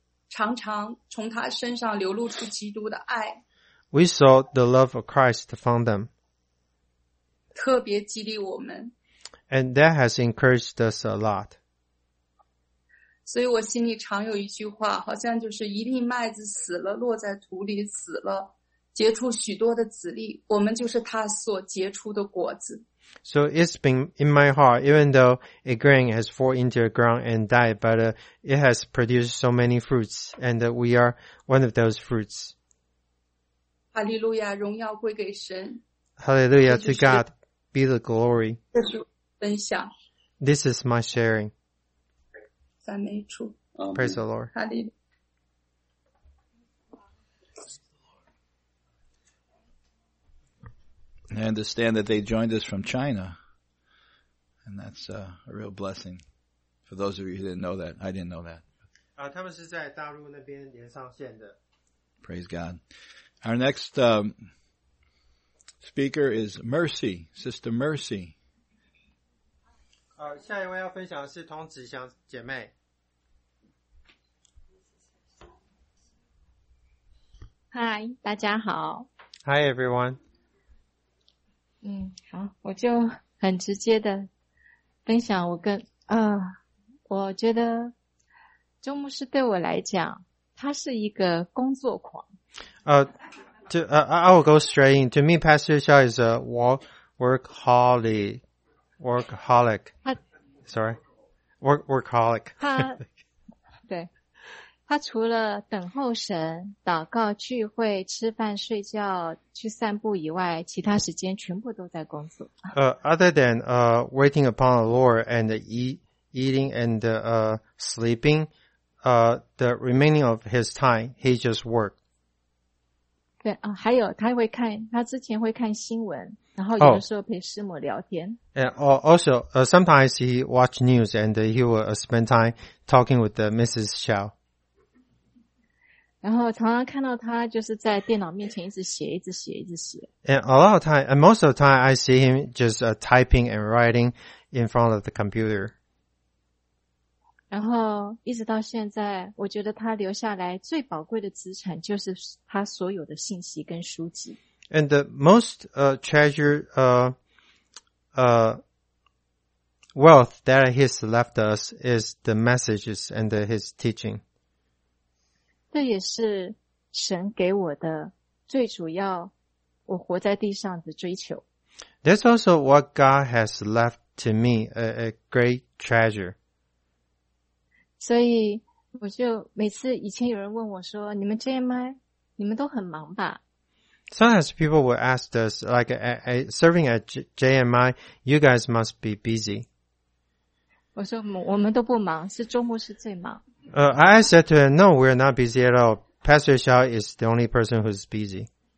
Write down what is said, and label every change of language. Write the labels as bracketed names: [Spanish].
[Chinese] 常常从他身上流露出基督的爱 [English] We saw the love of Christ from them. [Chinese] 特别激励我们 [English] And that has encouraged us a lot. [Chinese] 所以我心里常有一句话好像就是一粒麦子死了落在土里死了结出许多的籽粒，我们就是他所结出的果子。 [English] So it's been in my heart, even though a grain has fallen into the ground and died, but it has produced so many fruits, and we are one of those fruits. [Chinese] Hallelujah, 荣耀归给神。 [English] Hallelujah to God, be the glory. [Chinese] 这是分享。 [English] This is my sharing. [Chinese] 赞美主。 [English] Praise the Lord. Hallelujah. I understand that they joined us from China, and that's a real blessing. For those of you who didn't know that, I didn't know that. [Chinese] 他们是在大陆那边连上线的。 [English] Praise God. Our next speaker is Mercy, Sister Mercy. [Chinese] 下一位要分享的是童子祥姐妹。 Hi, 大家好。 [English] Hi, everyone. [Chinese] 嗯，好，我就很直接的分享我跟我觉得周牧师对我来讲，他是一个工作狂。 [English] I will go straight in. To me, Pastor Xiao is a workaholic. Workaholic. [Chinese] 他对，他除了等候神、祷告、聚会、吃饭、睡觉、去散步以外，其他时间全部都在工作。 [English] Other than waiting upon the Lord and eating and sleeping, the remaining of his time, he just worked. [Chinese] 对啊，还有他会看，他之前会看新闻，然后有的时候陪师母聊天。 [English] Sometimes he watch news and he will spend time talking with Mrs. Xiao. [Chinese] 然后常常看到他就是在电脑面前一直写一直写一直写。 [English] And a lot of time, and most of the time I see him just typing and writing in front of the computer. [Chinese] 然后一直到现在我觉得他留下来最宝贵的资产就是他所有的信息跟书籍。 [English] And the most treasured wealth that he has left us is the messages and his teaching. [Chinese] 这也是神给我的最主要我活在地上的追求。 [English] That's also what God has left to me, a great treasure. [Chinese] 所以我就每次以前有人问我说你们 JMI, 你们都很忙吧。 [English] Sometimes people will ask us, like, serving at JMI, you guys must be busy. [Chinese] 我说我们都不忙是周末是最忙。 [English] I said to him, no, we're not busy at all. Pastor Xiao is the only person who's busy.